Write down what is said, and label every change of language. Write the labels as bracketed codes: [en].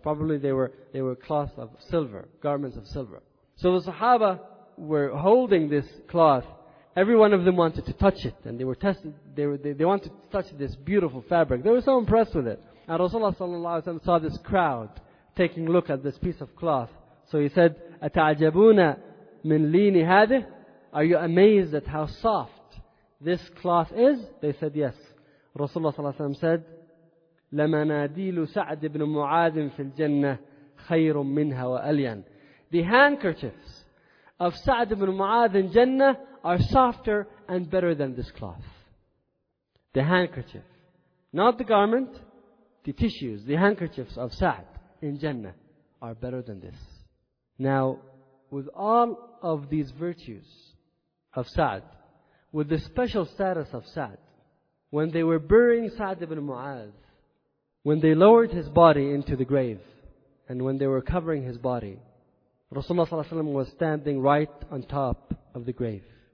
[en] Probably they were cloth of silver, garments of silver. So the Sahaba were holding this cloth. Every one of them wanted to touch it, and they were tested. They wanted to touch this beautiful fabric. They were so impressed with it. And Rasulullah ﷺ saw this crowd taking a look at this piece of cloth. So he said, [ar] أَتَعْجَبُونَ مِنْ لِينِ هَذِهِ. [en] Are you amazed at how soft this cloth is? They said, yes. Rasulullah ﷺ said, [ar] لَمَنَادِيلُ سَعْدِ ibn مُعَادٍ فِي الْجَنَّةِ خَيْرٌ مِّنْهَا وَأَلْيَنْ. [en] The handkerchiefs of Sa'd ibn Mu'adh in Jannah are softer and better than this cloth. The handkerchief, not the garment, the tissues, the handkerchiefs of Sa'd in Jannah are better than this. Now, with all of these virtues of Sa'd, with the special status of Sa'd, when they were burying Sa'd ibn Mu'adh, when they lowered his body into the grave, and when they were covering his body, Rasulullah ﷺ was standing right on top of the grave.